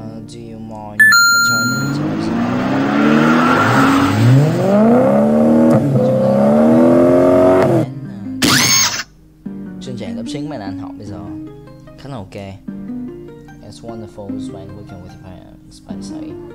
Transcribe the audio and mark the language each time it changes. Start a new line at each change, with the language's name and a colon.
English: Do you mind returning to us?
Vietnamese: Chương trình lớp chính mà anh học bây giờ khá là ok.
English: It's wonderful when working with parents, by the way.